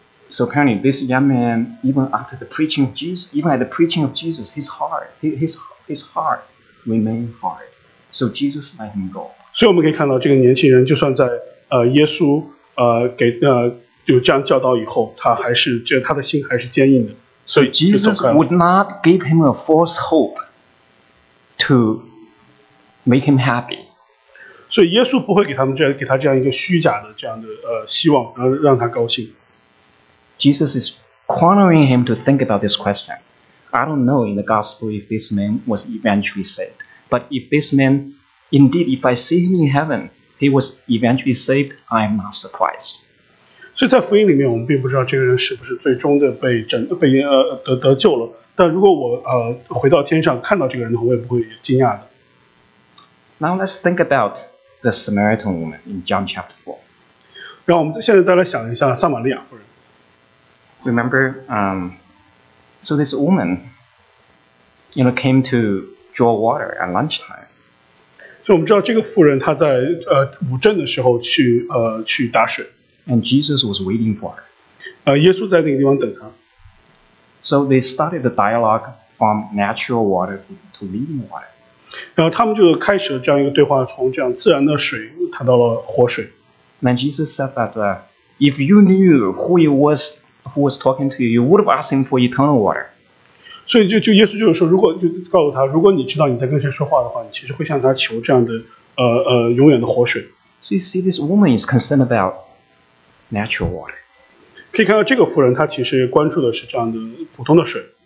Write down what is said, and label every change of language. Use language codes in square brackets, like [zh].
[en] So apparently, this young man, even after the preaching of Jesus, even at the preaching of Jesus, his heart remained hard. So Jesus let him go. [zh] 所以我们可以看到，这个年轻人就算在耶稣给就这样教导以后，他还是觉得他的心还是坚硬的，所以就走开了。 [en] Jesus would not give him a false hope to make him happy. [zh] 所以耶稣不会给他这样一个虚假的这样的希望，然后让他高兴。 [en] Jesus is cornering him to think about this question. I don't know in the gospel if this man was eventually saved, but if this manIndeed, if I see him in heaven, he was eventually saved. I am not surprised. [zh] 所以在福音里面，我们并不知道这个人是不是最终的被得救了。但如果我回到天上看到这个人的话，我也不会惊讶的。 [en] Now let's think about the Samaritan woman in John chapter 4. [zh] 让我们现在再来想一下撒玛利亚妇人。 [en] Remember, so this woman, you know, came to draw water at lunchtime. [zh] 所以我们知道这个妇人她在午正的时候去打水。 [en] And Jesus was waiting for her. [zh] 耶稣在那个地方等她。 [en] So they started the dialogue from natural water to living water. [zh] 然后他们就开始了这样一个对话，从这样自然的水谈到了活水。 [en] Then Jesus said that if you knew who was talking to you, you would have asked him for eternal water. [zh] 所以就耶稣就是说，如果就告诉他，如果你知道你在跟谁说话的话，你其实会向他求这样的永远的活水。 [en] So you see, this woman is concerned about natural water. [zh] 可以看到这个妇人，她其实关注的是这样的普通的水。